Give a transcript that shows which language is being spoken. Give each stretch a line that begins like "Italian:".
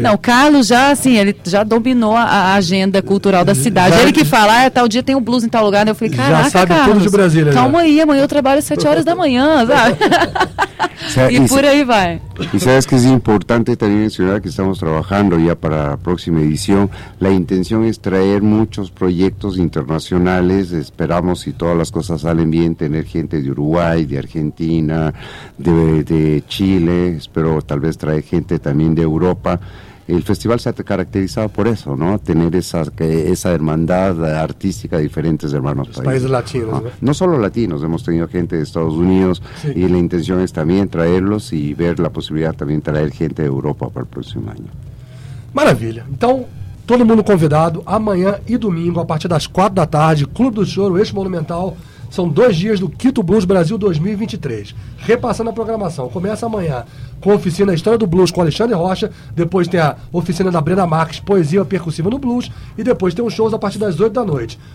Portuguese: Não, o Carlos já, assim, ele já dominou a agenda cultural da cidade. Já, ele que fala, tal dia tem o blues em tal lugar. Né? Eu falei, caraca, já sabe, Carlos, tudo de Brasília. Calma já. Aí, amanhã eu trabalho às 7 horas da manhã, sabe? E por aí vai. E sabe que é importante também mencionar que estamos trabalhando já para a próxima edição. A intenção é trazer muitos projetos internacionais.
Spanish: Esperamos, si todas las cosas salen bien, tener gente de Uruguay, de Argentina, de Chile, espero tal vez traer gente también de Europa. El festival se ha caracterizado por eso, ¿no? Tener esa hermandad artística de diferentes hermanos países. Países latinos, ¿no? No solo latinos, hemos tenido gente de Estados Unidos, sí. Y la intención es también traerlos y ver la posibilidad también traer gente de Europa para el próximo año.
Portuguese: Maravilha. Então, todo mundo convidado, amanhã e domingo, a partir das 4 da tarde, Clube do Choro, Eixo Monumental, são 2 dias do Quito Blues Brasil 2023. Repassando a programação, começa amanhã com a oficina História do Blues com Alexandre Rocha, depois tem a oficina da Brenda Marques, Poesia Percussiva no Blues, e depois tem os shows a partir das 8 da noite.